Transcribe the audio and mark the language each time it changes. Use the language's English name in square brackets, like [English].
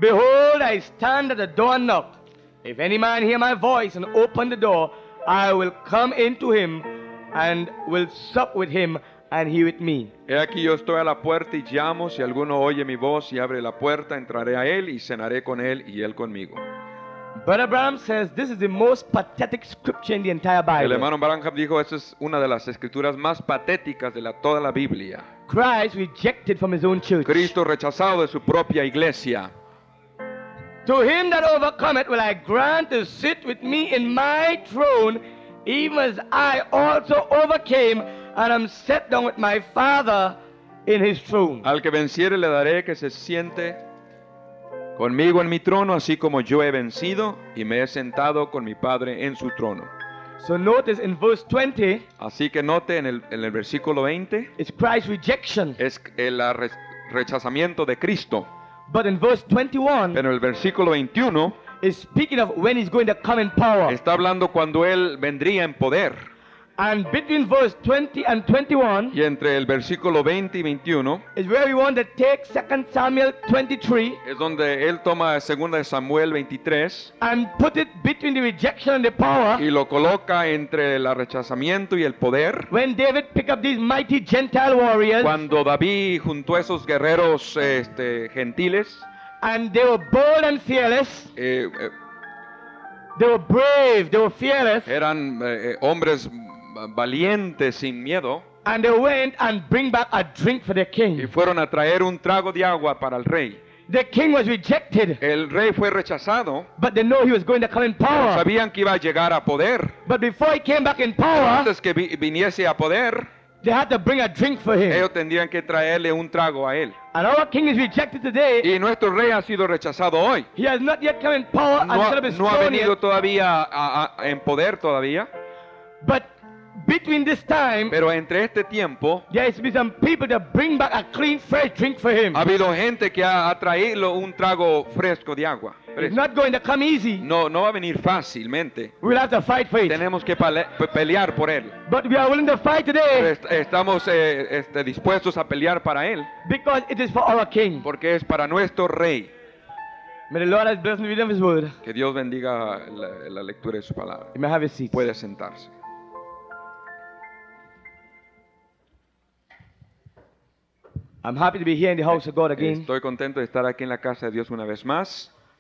[English] Behold, I stand at the door and knock. If any man hear my voice and open the door, I will come into him and will sup with him and he with me. [Spanish] He aquí yo estoy a la puerta y llamo. Si alguno oye mi voz y abre la puerta, entraré a él y cenaré con él y él conmigo. [English] Brother Branham says this is the most pathetic scripture in the entire Bible. [Spanish] El hermano Branham dijo, esa es una de las escrituras más patéticas de toda la Biblia. [English] Christ rejected from his own church. [Spanish] Cristo rechazado de su propia iglesia. [English] To him that overcometh will I grant to sit with me in my throne, even as I also overcame and am set down with my Father in his throne. [Spanish] Al que venciere le daré que se siente conmigo en mi trono, así como yo he vencido y me he sentado con mi Padre en su trono. [English] So notice in verse 20. [Spanish] Así que note en el versículo 20. [English] It's Christ's rejection. [Spanish] Es el rechazamiento de Cristo. [English] But in verse 21. [Spanish] Pero en el versículo 21. [English] Is speaking of when he's going to come in power. [Spanish] Está hablando cuando él vendría en poder. [English] And between verse 20 and 21. [Spanish] Y entre el versículo 20 y 21. [English] Is where we want to take 2 Samuel 23. [Spanish] Es donde él toma 2 Samuel 23. [English] And put it between the rejection and the power. [Spanish] Y lo coloca entre el rechazamiento y el poder. [English] When David picked up these mighty Gentile warriors. [Spanish] Cuando David juntó esos guerreros gentiles. [English] And they were bold and fearless. They were brave. They were fearless. [Spanish] Eran hombres valientes sin miedo. [English] And they went and bring back a drink for the king. [Spanish] Y fueron a traer un trago de agua para el rey. [English] The king was rejected. [Spanish] El rey fue rechazado. [English] But they knew he was going to come in power. [Spanish] Sabían que iba a llegar a poder. [English] But before he came back in power. [Spanish] Antes que viniese a poder. [English] They had to bring a drink for him. [Spanish] Ellos tendrían que traerle un trago a él. [English] And our king is rejected today. [Spanish] Y nuestro rey ha sido rechazado hoy. [English] He has not yet come in power. [Spanish] No ha venido todavía en poder todavía. [English] But between this time. [Spanish] Pero entre este tiempo. [English] There has been some people that bring back a clean, fresh drink for him. [Spanish] Ha habido gente que ha traído un trago fresco de agua. [English] It's not going to come easy. [Spanish] No va a venir fácilmente. [English] We'll have to fight for it. [Spanish] Tenemos que pelear por él. [English] But we are willing to fight today. [Spanish] Estamos dispuestos a pelear para él. [English] Because it is for our king. [Spanish] Porque es para nuestro rey. [English] May the Lord has blessed the reading of his word. [Spanish] Que Dios bendiga la lectura de su palabra. [English] You may have a seat. [Spanish] Puede sentarse. [English] I'm happy to be here in the house of God again. [Spanish] Estoy contento de estar aquí en la casa de Dios una vez más.